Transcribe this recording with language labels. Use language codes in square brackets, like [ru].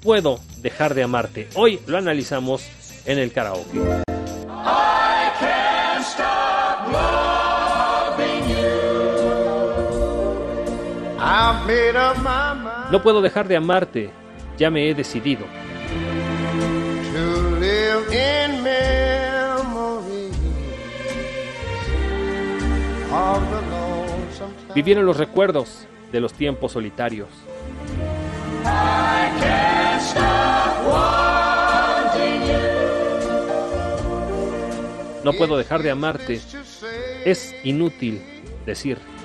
[es] Puedo dejar de amarte. Hoy lo analizamos en el karaoke. [en] I can't stop loving you. I've made up my mind. [es] No puedo dejar de amarte. ya me he decidido. [en] To live in memory of the lonesome time. [es] Vivir en los recuerdos de los tiempos solitarios. [en] I can't stop wanting you. [es] No puedo dejar de amarte. Es inútil decir.